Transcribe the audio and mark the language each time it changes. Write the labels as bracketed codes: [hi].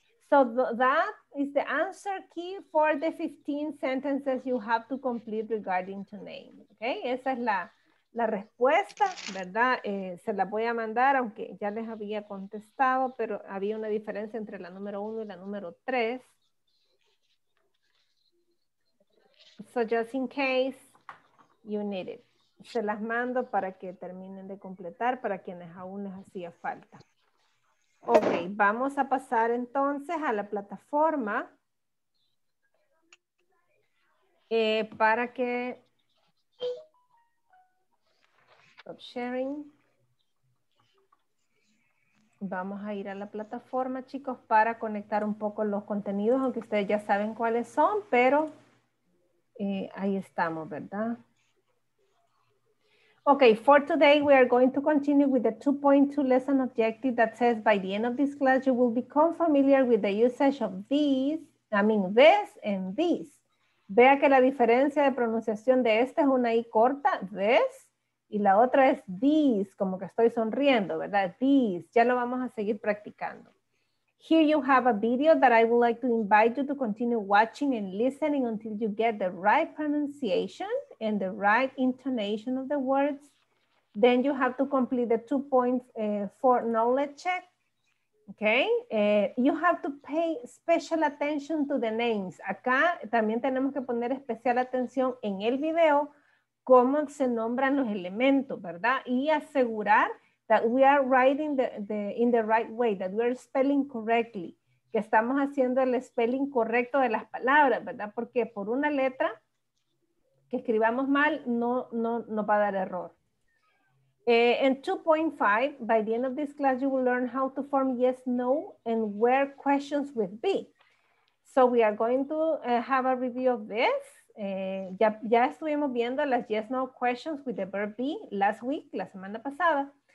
[en] So that is the answer key for the 15 sentences you have to complete regarding to name. [es] Ok. Esa es la respuesta, ¿verdad? Se la voy a mandar, aunque ya les había contestado, pero había una diferencia entre la número 1 y la número 3. [en] So just in case you need it. [es] Se las mando para que terminen de completar para quienes aún les hacía falta. Ok, vamos a pasar entonces a la plataforma para que sharing. Vamos a ir a la plataforma, chicos, para conectar un poco los contenidos, aunque ustedes ya saben cuáles son, pero ahí estamos, ¿verdad? [en] Okay, for today we are going to continue with the 2.2 lesson objective that says by the end of this class you will become familiar with the usage of these, I mean this and these. [es] Vea que la diferencia de pronunciación de esta es una I corta, this. Y la otra es these, como que estoy sonriendo, ¿verdad? These, ya lo vamos a seguir practicando. [en] Here you have a video that I would like to invite you to continue watching and listening until you get the right pronunciation and the right intonation of the words. Then you have to complete the 2 points for knowledge check. Okay, you have to pay special attention to the names. [es] Acá también tenemos que poner especial atención en el video cómo se nombran los elementos, ¿verdad? Y asegurar [en] that we are writing in the right way, that we are spelling correctly, [es] que estamos haciendo el spelling correcto de las palabras, ¿verdad? Porque por una letra que escribamos mal no va a dar error. [en] And 2.5, by the end of this class, you will learn how to form yes, no, and where questions with be. So we are going to have a review of this. [es] Ya estuvimos viendo las [en] yes, no questions with the verb be last week, [es] la semana pasada.